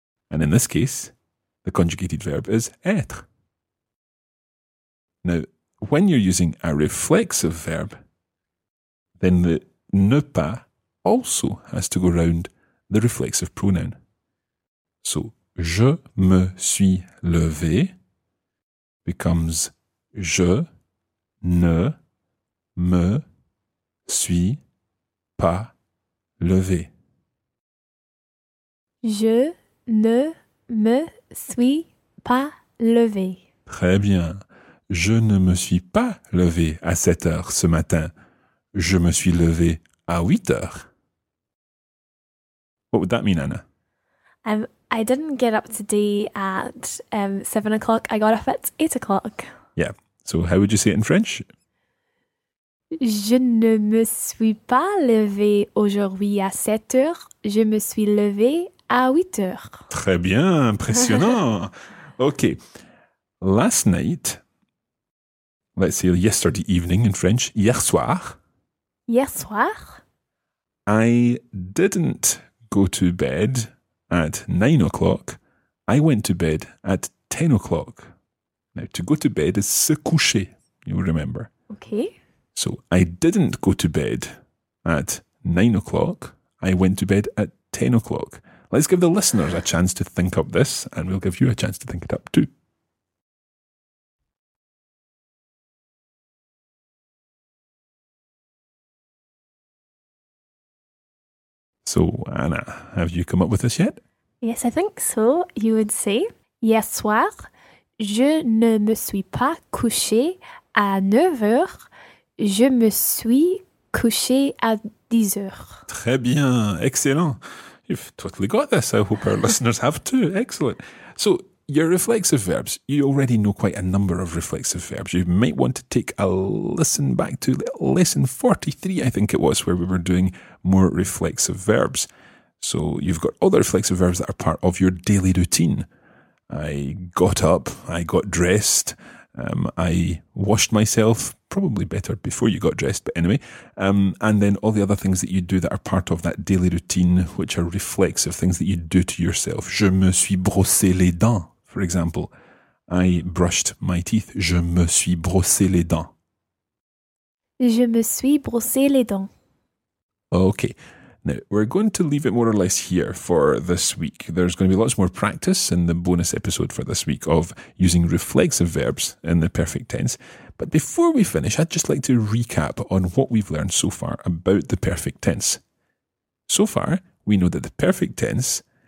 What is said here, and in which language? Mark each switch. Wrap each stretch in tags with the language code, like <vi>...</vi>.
<en>And in this case, the conjugated verb is être. Now, when you're using a reflexive verb, then the ne pas also has to go round the reflexive pronoun.</en> <fr>So, je me suis levé becomes je ne me suis pas levé. Je ne me suis pas levé. Très bien. Je ne me suis pas levé à 7 heures ce matin. Je me suis levé à 8 heures.</fr> <en>What would that mean, Anna? I didn't get up today at 7 o'clock. I got up at 8 o'clock. Yeah. So how would you say it in French?</en> <fr>Je ne me suis pas levé aujourd'hui à 7 heures. Je me suis levé à 8 heures. Très bien. Impressionnant.</fr> <en>Okay. Last night, let's say yesterday evening in French,</en> <fr>hier soir. Hier soir,</fr> <en>I didn't go to bed at 9 o'clock. I went to bed at 10 o'clock. Now, to go to bed is se coucher, you remember. Okay. So, I didn't go to bed at 9 o'clock. I went to bed at 10 o'clock. Let's give the listeners a chance to think up this, and we'll give you a chance to think it up too. So, Anna, have you come up with this yet? Yes, I think so. You would say,</en> <fr>hier soir, je ne me suis pas couché à 9 heures. Je me suis couché à 10 heures. Très bien.</fr> <en>Excellent. You've totally got this. I hope our listeners have too. Excellent. So, your reflexive verbs, you already know quite a number of reflexive verbs. You might want to take a listen back to lesson 43, I think it was, where we were doing more reflexive verbs. So you've got all the reflexive verbs that are part of your daily routine. I got up, I got dressed, I washed myself, probably better before you got dressed, but anyway. And then all the other things that you do that are part of that daily routine, which are reflexive things that you do to yourself.</en> <fr>Je me suis brossé les dents,</fr> <en>for example. I brushed my teeth.</en> <fr>Je me suis brossé les dents. Je me suis brossé les dents.</fr> <en>Okay. Now, we're going to leave it more or less here for this week. There's going to be lots more practice in the bonus episode for this week of using reflexive verbs in the perfect tense. But before we finish, I'd just like to recap on what we've learned so far about the perfect tense. So far, we know that the perfect tense</en>